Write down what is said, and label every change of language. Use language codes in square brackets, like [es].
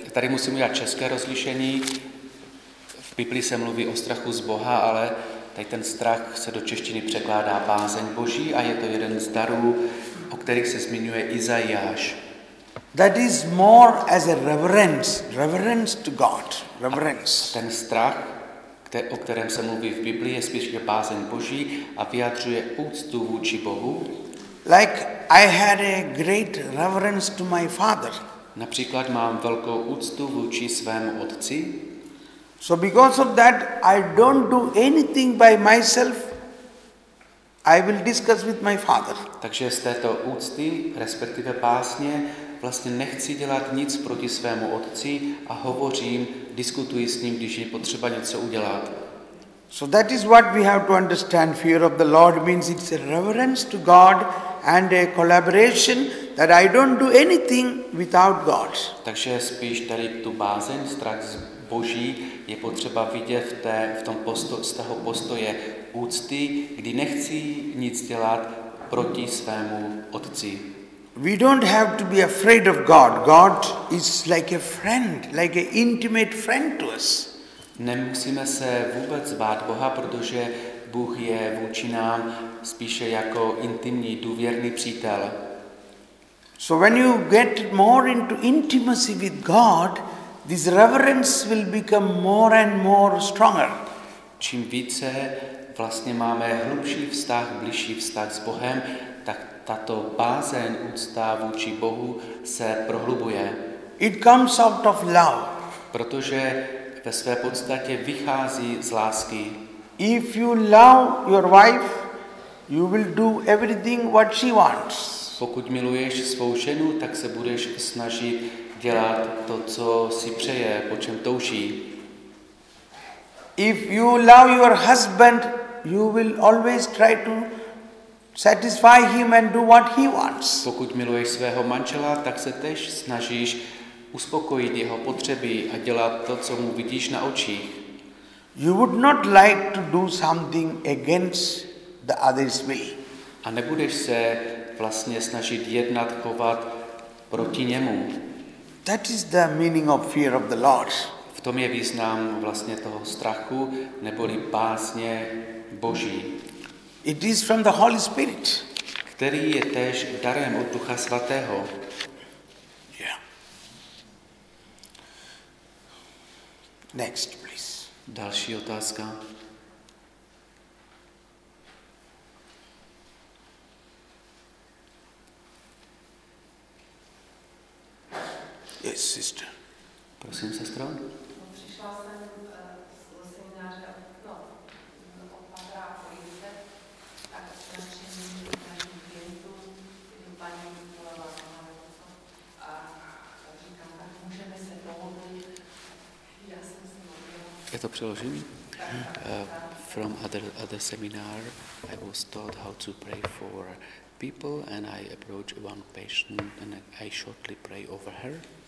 [cs] Tady musím udělat české rozlišení. V Biblii se mluví o strachu z Boha, ale tady ten strach se do češtiny překládá bázeň Boží a je to jeden z darů, o kterých se zmiňuje Izajáš. [en] That is more as a reverence to God. Reverence. [cs] Ten strach o kterém se mluví v Biblii, je spíš bázeň Boží a vyjadřuje úctu vůči Bohu. [en] Like I had a great reverence to my father. [cs] Například mám velkou úctu vůči svému otci. [en] So because of that I don't do anything by myself. I will discuss with my father. [cs] Takže z této úcty, respektive básně, vlastně nechci dělat nic proti svému otci a hovořím, diskutuji s ním, když je potřeba něco udělat. [en] So that is what we have to understand. Fear of the Lord means it's a reverence to God and a collaboration that I don't do anything without God. [cs] Takže spíš tady tu bázeň, strach z Boží, je potřeba vidět z toho postoje úcty, kdy nechci nic dělat proti svému otci. [en] We don't have to be afraid of God. God is like a friend, like an intimate friend to us. [cs] Nemusíme se vůbec bát Boha, protože Bůh je vůči nám spíše jako intimní, důvěrný přítel. [en] So when you get more into intimacy with God, this reverence will become more and more stronger. [cs] Čím více vlastně máme hlubší vztah, bližší vztah s Bohem, tak tato bázeň úcta vůči Bohu se prohlubuje. [en] It comes out of love. [cs] Protože ve své podstatě vychází z lásky. [en] If you love your wife, you will do everything what she wants. [cs] Pokud miluješ svou ženu, tak se budeš snažit dělat to, co si přeje, po čem touží. [en] If you love your husband, you will always try to satisfy him and do what he wants. [cs] Pokud miluješ svého manžela, tak se též snažíš uspokojit jeho potřeby a dělat to, co mu vidíš na očích. [en] You would not like to do something against the other's will. [cs] A nebudeš se vlastně snažit jednat, chovat proti němu. [en] That is the meaning of fear of the Lord. [cs] V tom je význam vlastně toho strachu neboli bázně Boží. [en] It is from the Holy Spirit. [cs] Který je též darem od Ducha Svatého. [en] Yeah. Next, please. [cs] Další otázka. [en] Yes, sister. [cs] Prosím, sestro. Přišla jsem z semináře, no, od Patra a Kolínce, tak jsem našim klientům, kterým paní Nikolava Zamanovou, a říkám, tak můžeme se pomoci. Já jsem si modlila. Je to přeložený? [en] From other seminar, I was taught how to pray for people, and I approached one patient, and I shortly pray over her.